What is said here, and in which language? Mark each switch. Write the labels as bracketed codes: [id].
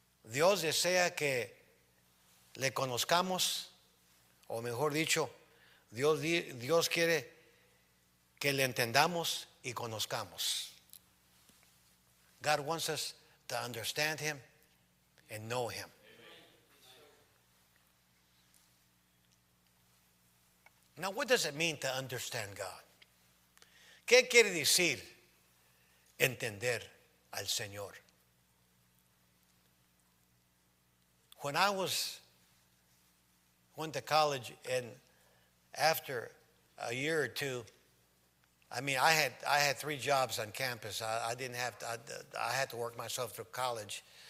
[es] Dios desea que le conozcamos, o mejor dicho, Dios quiere que le entendamos y conozcamos. [en] God wants us to understand him and know him. Now, what does it mean to understand God? [es] ¿Qué quiere decir entender al Señor? [en] When I went to college, and after a year or two, I mean, I had three jobs on campus. I had to work myself through college.